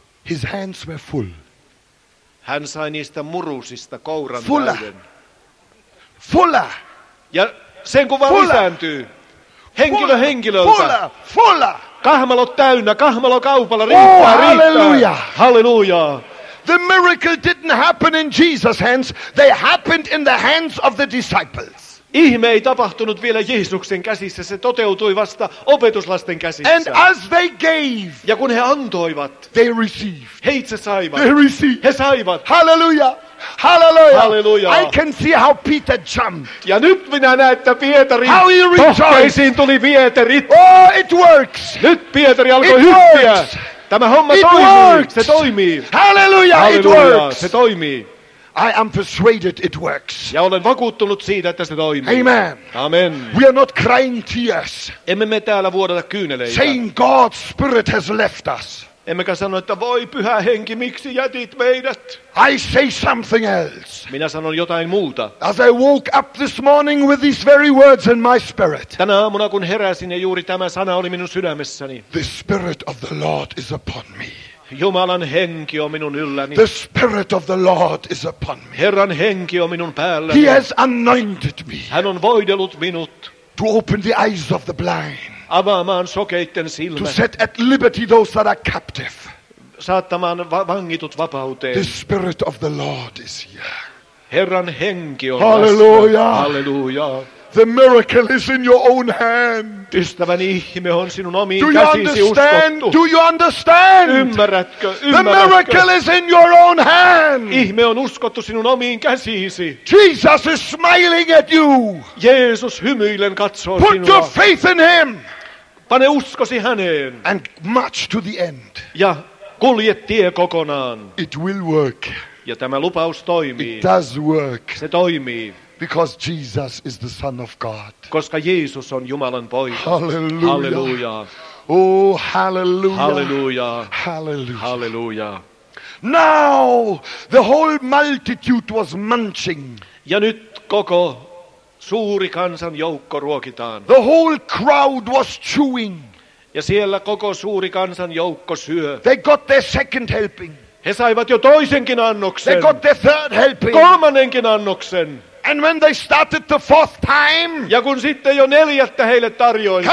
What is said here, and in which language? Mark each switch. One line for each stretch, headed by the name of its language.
English: His hands were full.
Finnish: Hän sai niistä murusista kouran
English: fuller.
Finnish: Täyden.
English: Fuller.
Finnish: Ja sen kun vaan
English: fuller.
Finnish: Lisääntyy. Henkilö
English: fuller.
Finnish: Henkilöltä.
English: Fuller. Fuller.
Finnish: Kahmalo täynnä, kahmalo kaupalla, riittää, oh, riittää. Halleluja.
English: The miracle didn't happen in Jesus' hands, they happened in the hands of the disciples.
Finnish: Ihme ei tapahtunut vielä Jeesuksen käsissä, se toteutui vasta opetuslasten käsissä.
English: And as they gave,
Finnish: ja kun he antoivat,
English: they received.
Finnish: He itse saivat.
English: They received.
Finnish: He saivat. Halleluja. Hallelujah.
English: Hallelujah. I can see how Peter jumped.
Finnish: Ja nyt minä näen, että Pietari pohkeisiin tuli Pieterit.
English: Oh, it works.
Finnish: Nyt Pietari alkoi hyppiä. Tämä homma
English: it
Finnish: toimii.
English: Works.
Finnish: Se toimii.
English: Hallelujah. Hallelujah. It works.
Finnish: Se toimii.
English: I am persuaded it works.
Finnish: Ja olen vakuuttunut siitä, että se toimii.
English: Amen.
Finnish: Amen.
English: We are not crying tears.
Finnish: Emme me täällä vuodata kyyneleitä.
English: Saying God's spirit has left us.
Finnish: Emmekä sano, että voi pyhä henki, miksi jätit meidät?
English: I say something else.
Finnish: Minä sanon jotain muuta.
English: As I woke up this morning with these very words in my spirit.
Finnish: Tänä aamuna kun heräsin ja juuri tämä sana oli minun sydämessäni.
English: The spirit of the Lord is upon me.
Finnish: Jumalan henki on minun ylläni.
English: The spirit of the Lord is upon me.
Finnish: Herran henki on minun päälläni.
English: He has anointed me.
Finnish: Hän on voidellut minut.
English: To open the eyes of the blind.
Finnish: Avaamaan sokeitten silmät.
English: To set at liberty those that are captive.
Finnish: Saattamaan vangitut vapauteen.
English: The spirit of the Lord is here.
Finnish: Herran henki on hallelujah. Tässä. Halleluja.
English: The miracle is in your own hand.
Finnish: Ystäväni, ihme on sinun omiin käsisi uskottu.
English: Do you understand? Do you understand?
Finnish: Ymmärrätkö?
English: The miracle is in your own hand.
Finnish: Ihme on uskottu sinun omiin käsisi.
English: Jesus is smiling at you.
Finnish: Jeesus hymyillen katsoo
English: put
Finnish: sinua.
English: Put your faith in him.
Finnish: Pane uskosi häneen.
English: And march to the end.
Finnish: Ja kulje tie kokonaan.
English: It will work.
Finnish: Ja tämä lupaus toimii.
English: It does work.
Finnish: Se toimii.
English: Because Jesus is the Son of God.
Finnish: Koska Jeesus on Jumalan poika.
English: Hallelujah. Hallelujah. Oh, hallelujah. Hallelujah. Hallelujah. Hallelujah. Now the whole multitude was munching.
Finnish: Ja nyt koko suuri kansan joukko ruokitaan.
English: The whole crowd was chewing.
Finnish: Ja siellä koko suuri kansan joukko syö.
English: They got their second helping.
Finnish: He saivat jo toisenkin annoksen.
English: They got their third helping.
Finnish: Kolmannenkin annoksen.
English: And when they started the fourth time,
Finnish: ja kun sitten jo neljättä heille tarjoiltiin,